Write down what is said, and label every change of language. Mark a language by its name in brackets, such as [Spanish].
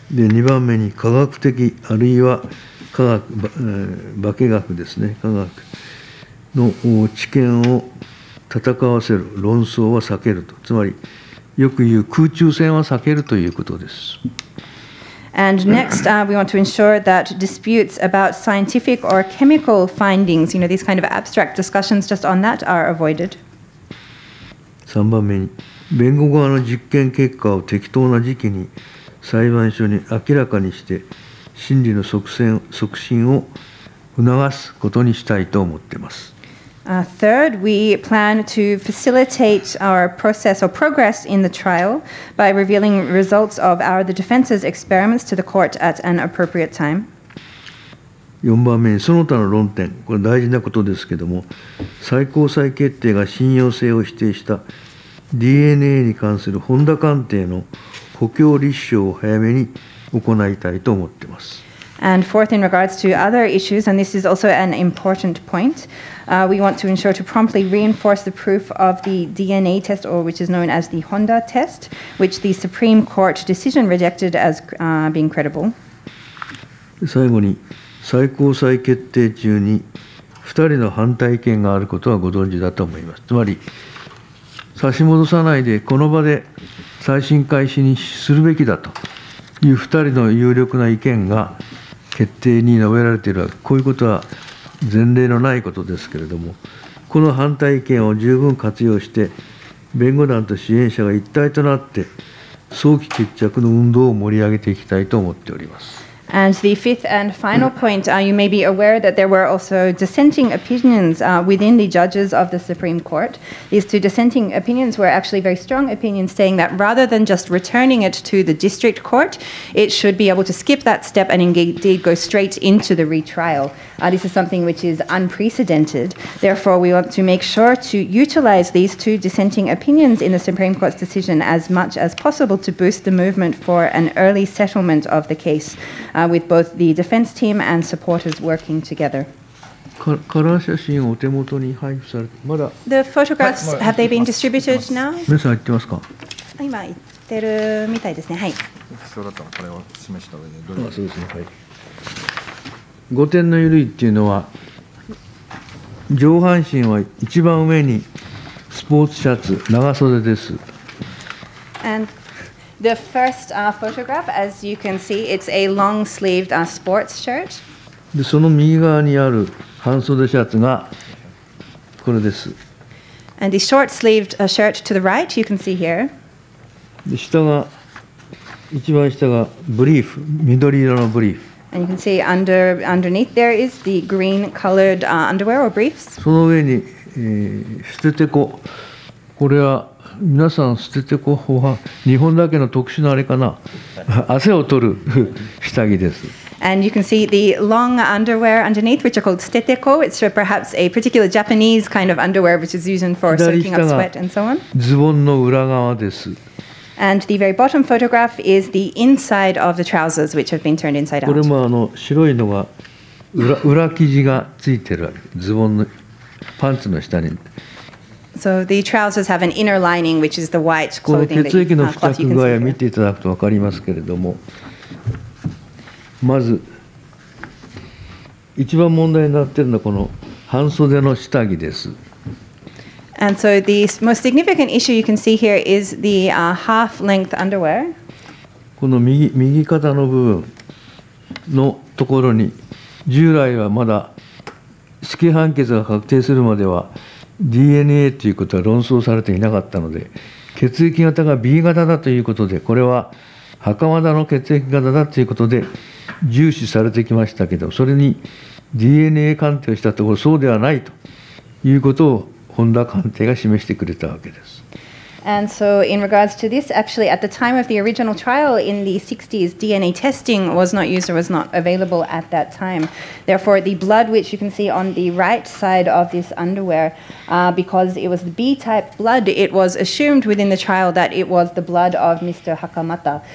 [Japanese] で、2番目に科学的あるいは科学、化け学ですね、科学の知見を戦わせる論争は避けると、つまりよく言う空中戦は避けるということです。 [English] And next, we want to ensure that disputes about scientific or chemical findings, you know, these kind of abstract discussions just on that are avoided. [Japanese] 3番目に、弁護側の実験結果を適当な時期に裁判所に明らかにして、審理の促進を促すことにしたいと思っています。 [English] Third, we plan to facilitate our process or progress in the trial by revealing results of the defense's experiments to the court at an appropriate time. [Japanese] 4番目にその他の論点、これ大事なことですけども、最高裁決定が信用性を否定した DNA に関する本田鑑定の補強立証を早めに行いたいと思っています。 [English] And fourth, in regards to other issues, and this is also an important point, we want to ensure to promptly reinforce the proof of the DNA test, or which is known as the Honda test, which the Supreme Court decision rejected as being credible. [Japanese] 最後に、最高裁決定中に2人の反対意見があることはご存知だと思います。つまり、差し戻さないでこの場で再審開始にするべきだという2人の有力な意見が決定に述べられているわけ。こういうことは前例のないことですけれども、この反対意見を十分活用して、弁護団と支援者が一体となって、早期決着の運動を盛り上げていきたいと思っております。 [English] And the fifth and final point, you may be aware that there were also dissenting opinions within the judges of the Supreme Court. These two dissenting opinions were actually very strong opinions, saying that rather than just returning it to the district court, it should be able to skip that step and indeed go straight into the retrial. This is something which is unprecedented. Therefore, we want to make sure to utilize these two dissenting opinions in the Supreme Court's decision as much as possible to boost the movement for an early settlement of the case, with both the defense team and supporters working together. [Japanese] カラー写真をお手元に配布されて、まだ。 [English] The photographs, はい、have they been distributed now? [Japanese] 皆さん行ってますか？今行ってるみたいですね。はい。必要だったらこれを示した上で。あ、そうですね。はい。五点の緩いっていうのは、上半身は一番上にスポーツシャツ、長袖です。 [English] And the first photograph, as you can see, it's a long-sleeved sports shirt. [Japanese] で、その右側にある半袖シャツがこれです。 [English] And the short-sleeved shirt to the right, you can see here. [Japanese] で、下が、一番下がブリーフ、緑色のブリーフ。 [English] And you can see underneath there is the green colored underwear or briefs. [Japanese] その上に、捨ててこ。これは皆さん捨ててこは日本だけの特殊なあれかな。汗を取る下着です。 [English] And you can see the long underwear underneath, which are called steteko. It's perhaps a particular Japanese kind of underwear, which is used for soaking up sweat and so on. [Japanese] ズボンの裏側です。 [English] And the very bottom photograph is the inside of the trousers, which have been turned inside out. [Japanese] これもあの白いのが 裏生地がついてるわけ。ズボンのパンツの下に。 [English] So the trousers have an inner lining, which is the white clothing. [Japanese] この血液の付着具合を見ていただくと分かりますけれども、まず一番問題になっているのはこの半袖の下着です。 [English] And so the most significant issue you can see here is the half-length underwear. [Japanese] この右肩の部分のところに従来はまだ死刑判決が確定するまでは DNA ということは論争されていなかったので血液型が B 型だということでこれは袴田の血液型だということで重視されてきましたけどそれに DNA 鑑定をしたところそうではないということを本田鑑定が示してくれたわけです。 [English] And so in regards to this, actually at the time of the original trial in the 60s, DNA testing was not used or was not available at that time. Therefore, the blood which you can see on the right side of this underwear, because it was the B-type blood, it was assumed within the trial that it was the blood of Mr. Hakamata.